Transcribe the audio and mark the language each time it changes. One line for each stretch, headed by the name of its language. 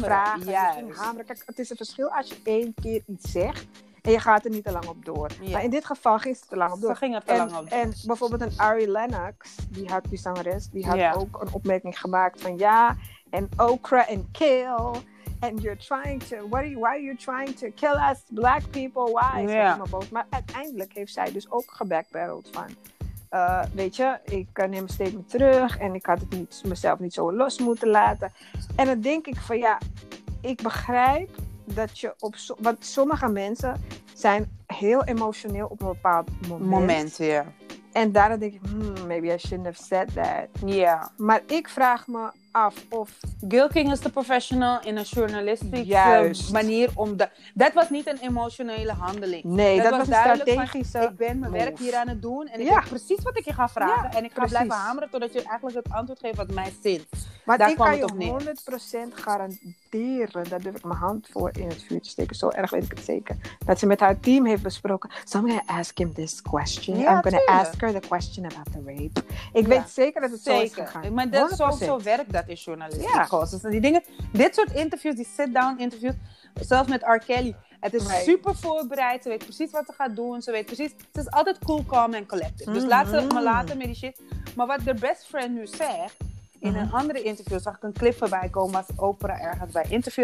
Dutch: Te vragen.
English: Yes.
Dutch: Je ging hameren. Kijk, het is een verschil als je één keer iets zegt. En je gaat er niet te lang op door. Ja. Maar in dit geval ging ze te lang op door. Ze ging er te lang op door. En bijvoorbeeld een Ari Lennox, die had die zangeres, die had ook een opmerking gemaakt van en Okra en Kale.
English: And you're trying to, why are you trying to kill us black people? Why?
Dutch: Maar uiteindelijk heeft zij dus ook gebackbarreld van, weet je, ik neem een statement terug en ik had het niet, mezelf niet zo los moeten laten. En dan denk ik van ik begrijp. Dat je op want sommige mensen zijn heel emotioneel op een bepaald moment. En daarom denk ik,
English: maybe I shouldn't have said that.
Dutch: Maar ik vraag me af of... Gil King is de professional in een journalistieke manier om... dat was niet een emotionele handeling. Nee, dat was een strategische van, ik ben mijn werk hier aan het doen en ik weet precies wat ik je ga vragen. En ik ga blijven hameren totdat je eigenlijk het antwoord geeft wat mij zint. Maar daar ik kan je 100% garanderen, daar durf ik mijn hand voor in het vuur te steken. Zo erg weet ik het zeker. Dat ze met haar team heeft besproken.
English: So I'm going to ask him this question.
Dutch: Ja,
English: I'm going to ask her the question about the rape.
Dutch: Ik weet zeker dat het zeker. Zo is gegaan. Maar zo werkt dat in journalistiek. Die dingen, dit soort interviews, die sit-down interviews, zelfs met R. Kelly. Het is super voorbereid. Ze weet precies wat ze gaat doen. Ze weet precies. Ze is altijd cool, calm en collected. Dus laat ze maar laten met die shit. Maar wat de best friend nu zegt. In een andere interview zag ik een clip voorbij komen als Oprah ergens bij interview.